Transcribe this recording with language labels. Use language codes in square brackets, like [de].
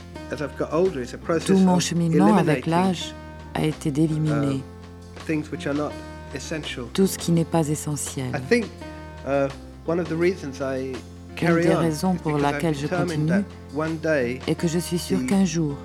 [fr] Tout mon cheminement avec l'âge a été d'éliminer [en] things which are not essential. [fr] Tout ce qui n'est pas essentiel. [en] I think one of the reasons I carry on. [fr] Une des raisons pour laquelle je continue est que je suis sûr qu'un jour,